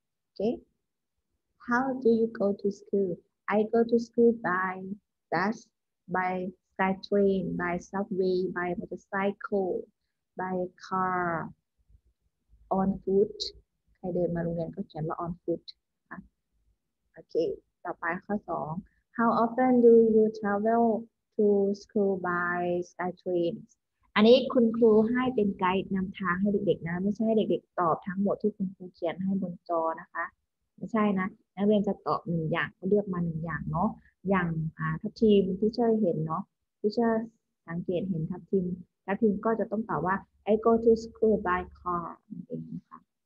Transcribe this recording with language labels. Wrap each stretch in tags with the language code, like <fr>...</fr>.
<en>Okay. How do you go to school? I go to school by bus, by sky train, by subway, by motorcycle, by car, on foot.</en> <th>ใครเดินมาโรงเรียนก็เขียนว่า</th> <en>on foot.</en> <th>Okay. ต่อไปข้อ2.</th> <en>How often do you travel to school by sky train?</en> <th>อันนี้คุณครูให้เป็นไกด์นำทางให้เด็กๆนะไม่ใช่ให้เด็กๆตอบทั้งหมดที่คุณครูเขียนให้บนจอนะคะไม่ใช่นะนักเรียนจะตอบหนึ่งอย่างก็เลือกมาหนึ่งอย่างเนาะอย่างทัพทีมที่เชื่อเห็นเนาะที่เชื่อสังเกตเห็นทัพทีมทัพทีมก็จะต้องตอบว่า</th> <en>I go to school by car</en> <th>นั่นเองนะคะ</th>